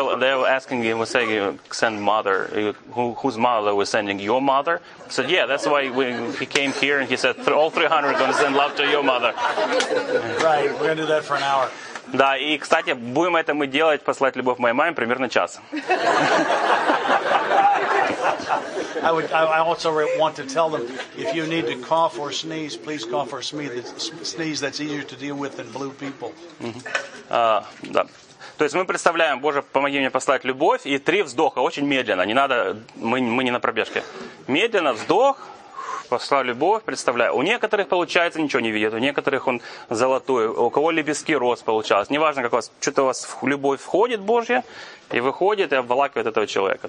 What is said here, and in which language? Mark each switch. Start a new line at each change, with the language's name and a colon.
English: They were asking him, we're saying, send mother. Whose mother was sending? Your mother? I said, yeah, that's why he came here and he said, all 300 are going to send love to your mother. Right, we're going to do that for an hour.
Russian: Да, и, кстати, будем это мы делать, послать любовь моей маме примерно час.
English: I also want to tell them, if you need to cough or sneeze, please cough or sneeze, that's easier to deal with than blue people.
Russian: Да. То есть мы представляем, Боже, помоги мне послать любовь, и три вздоха, очень медленно, не надо, мы не на пробежке. Медленно, вздох, послал любовь, представляю. У некоторых получается ничего не видят, у некоторых он золотой, у кого лепестки роз получалось. Неважно, как у вас, что-то у вас в любовь входит Божья, и выходит, и обволакивает этого человека.